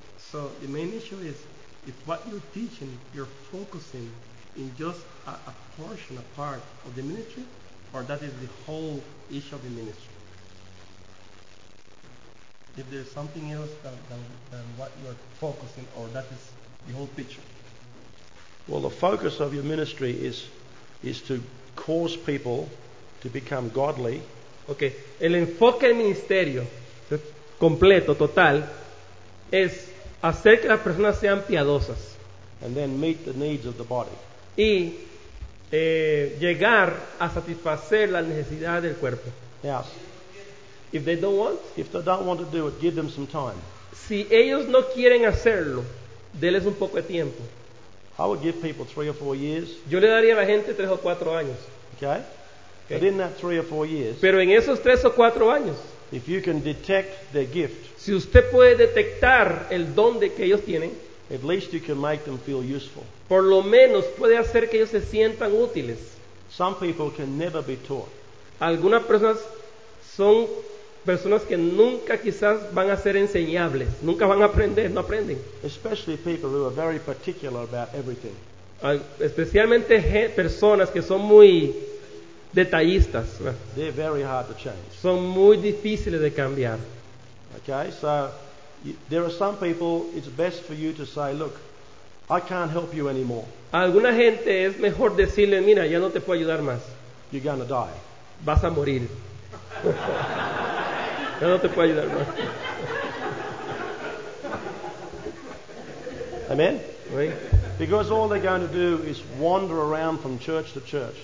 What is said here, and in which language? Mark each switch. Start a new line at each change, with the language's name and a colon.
English: So the main issue is, if what you're teaching, you're focusing in just a portion, a part of the ministry, or that is the whole issue of the ministry. If there's something else than what you're focusing on, that is the whole picture. Well, the focus of your ministry is to cause people to become godly. Okay.
Spanish: El enfoque del ministerio completo, total, es hacer que las personas sean piadosas.
English: And then meet the needs of the body.
Spanish: Y llegar a satisfacer las necesidades del cuerpo.
English: Yes. If they don't want to do it, give them some time.
Spanish: Si ellos no quieren hacerlo, déles un poco de tiempo.
English: I would give people 3 or 4 years.
Spanish: Yo le daría a la gente 3 o 4 años.
English: Okay. But in that 3 or 4 years.
Spanish: Pero en esos 3 o 4 años.
English: If you can detect their gift.
Spanish: Si usted puede detectar el don de que ellos tienen.
English: At least you can make them feel useful.
Spanish: Por lo menos puede hacer que ellos se sientan útiles.
English: Some people can never be taught.
Spanish: Algunas personas son personas que nunca quizás van a ser enseñables, nunca van a aprender, no aprenden.
English: Especially people who are very particular about everything.
Spanish: Especialmente personas que son muy detallistas.
English: They're very hard to change.
Spanish: Son muy difíciles de cambiar.
English: Okay, so there are some people it's best for you to say, look, I can't help you anymore.
Spanish: Alguna gente es mejor decirle, mira, ya no te puedo ayudar más.
English: You're gonna die.
Spanish: Vas a morir. Ya no te puedo ayudar más. Amen. Oui.
English: Because all they're going to do is wander around from church to church.